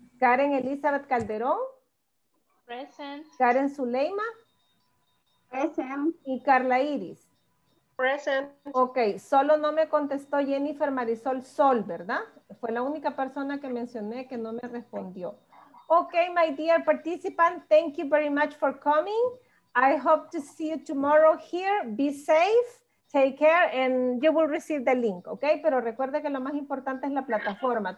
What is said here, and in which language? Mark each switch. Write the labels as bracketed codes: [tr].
[en] Karen Elizabeth Calderón. Present. Karen Zuleima. Present. [es] Y Carla Iris. [en] Present. [es] Ok, solo no me contestó Jennifer Marisol Sol, ¿verdad? Fue la única persona que mencioné que no me respondió. [en] Okay, my dear participant, thank you very much for coming. I hope to see you tomorrow here. Be safe, take care, and you will receive the link, okay? [es] Pero recuerde que lo más importante es la plataforma.